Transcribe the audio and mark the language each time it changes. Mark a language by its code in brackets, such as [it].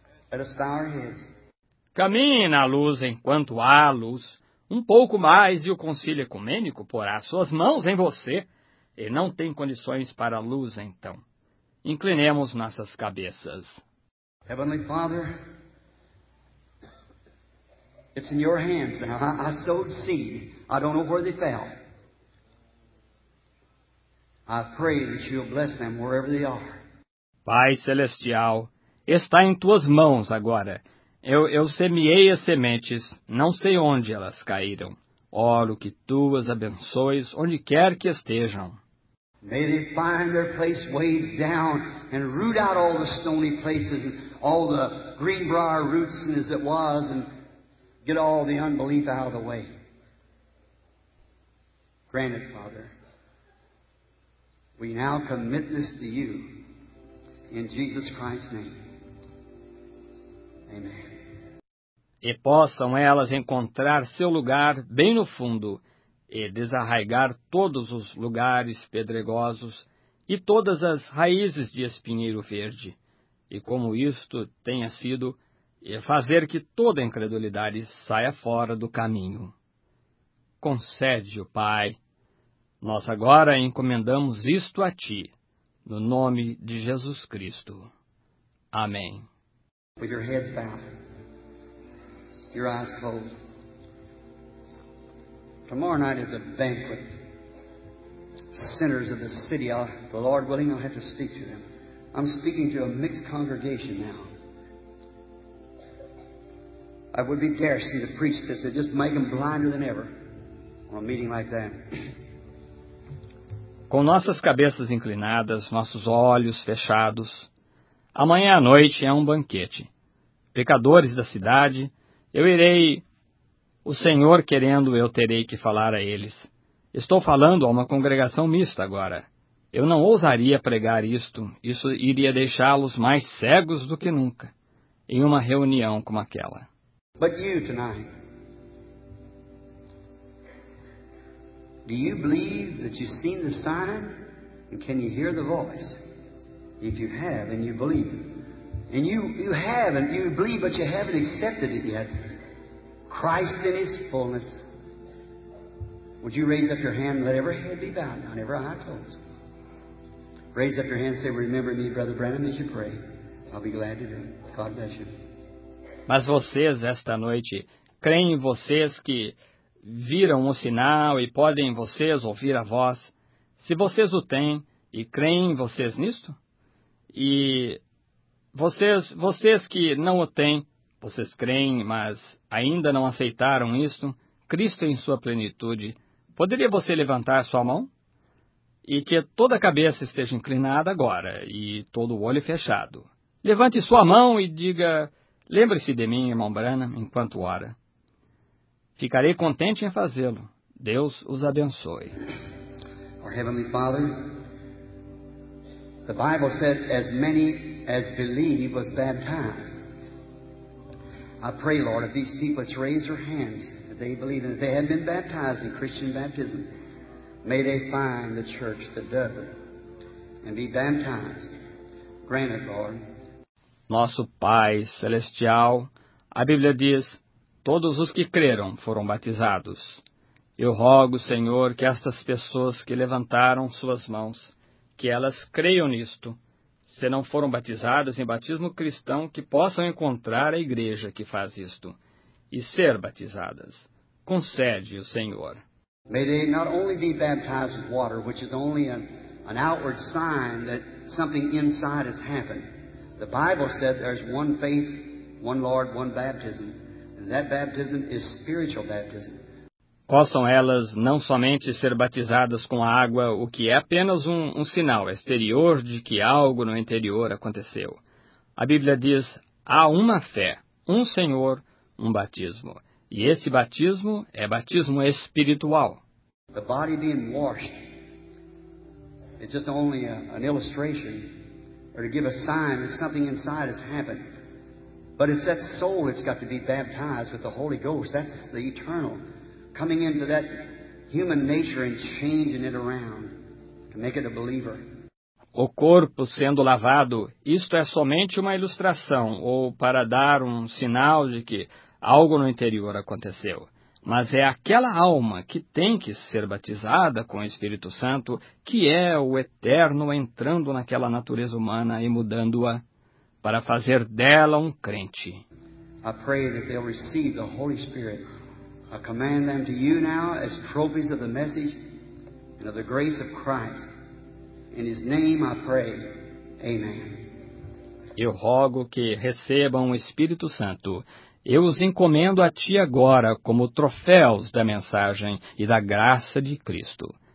[en] Let us bow our heads. [pt] Caminhe na luz enquanto há luz. Um pouco mais e o concílio ecumênico porá suas mãos em você. E não tem condições para a luz, então. Inclinemos nossas cabeças. [en] Heavenly Father, it's in your hands now. I sowed seed. I don't know where they fell. I pray that you'll bless them wherever they are. [pt] Pai Celestial, está em tuas mãos agora. Eu semeei as sementes, não sei onde elas caíram. Oro que tu as abençoes onde quer que estejam. [en] May they find their place way down and root out all the stony places and all the greenbrier roots and as it was and get all the unbelief out of the way. Granted, Father, we now commit this to you in Jesus Christ's name. Amen. [pt] E possam elas encontrar seu lugar bem no fundo e desarraigar todos os lugares pedregosos e todas as raízes de espinheiro verde. E como isto tenha sido, e fazer que toda incredulidade saia fora do caminho. Concede-o, Pai. Nós agora encomendamos isto a Ti, no nome de Jesus Cristo. Amém. [en] With your heads bowed, your eyes closed. Tomorrow night is a banquet. Sinners of the city, the Lord willing, I'll have to speak to them. I'm speaking to a mixed congregation now. I would be garrisoned to preach this. It'd just make them blinder than ever on a meeting like that. [pt] Com nossas cabeças inclinadas, nossos olhos fechados, amanhã à noite é um banquete. Pecadores da cidade, eu irei, o Senhor querendo, eu terei que falar a eles. Estou falando a uma congregação mista agora. Eu não ousaria pregar isto. Isso iria deixá-los mais cegos do que nunca, em uma reunião como aquela. [en] But you tonight, do you believe that you've seen the sign and can you hear the voice? If you have and you believe, and you have and you believe but you haven't accepted it yet, Christ in His fullness, would you raise up your hand and let every head be bowed down, every eye closed? Raise up your hand and say, remember me, Brother Branham, as you pray. I'll be glad to do it. God bless you. [pt] Mas vocês, esta noite, creem vocês que viram o sinal e podem vocês ouvir a voz? Se vocês o têm e creem vocês nisto? E vocês que não o têm, vocês creem, mas ainda não aceitaram isto, Cristo em sua plenitude, poderia você levantar sua mão? E que toda a cabeça esteja inclinada agora e todo o olho fechado. Levante sua mão e diga, lembre-se de mim, irmão Branham, enquanto ora. Ficarei contente em fazê-lo. Deus os abençoe. [en] Our Heavenly Father, the Bible said, as many as believe was baptized. I pray, Lord, if these people that's raised their hands, that they believe and that they have been baptized in Christian baptism, may they find the church that does it and be baptized. Grant it, Lord. [pt] Nosso Pai Celestial, a Bíblia diz, todos os que creram foram batizados. Eu rogo, Senhor, que estas pessoas que levantaram suas mãos, que elas creiam nisto. Se não foram batizadas em batismo cristão, que possam encontrar a igreja que faz isto e ser batizadas. Concede o Senhor. [en] May they not only be baptized with water, which is only an outward sign that something inside has happened. The Bible said there's one faith, one Lord, one baptism. And that baptism is spiritual baptism. [pt] Possam elas não somente ser batizadas com a água, o que é apenas um sinal exterior de que algo no interior aconteceu. A Bíblia diz, há uma fé, um Senhor, um batismo. E esse batismo é batismo espiritual. [en] The body being washed is just only an illustration or to give a sign that something inside has happened. But it's that soul that's got to be baptized with the Holy Ghost. That's the eternal coming into that human nature and changing it around to make it a believer. [pt] O corpo sendo lavado, isto é somente uma ilustração ou para dar um sinal de que algo no interior aconteceu. Mas é aquela alma que tem que ser batizada com o Espírito Santo que é o eterno entrando naquela natureza humana e mudando-a para fazer dela um crente. [en] I pray that they'll receive the Holy Spirit. I command them to you now as trophies of the message and of the grace of Christ. In his name I pray. Amen. [pt] Eu rogo que recebam o Espírito Santo. Eu os encomendo a ti agora como troféus da mensagem e da graça de Cristo.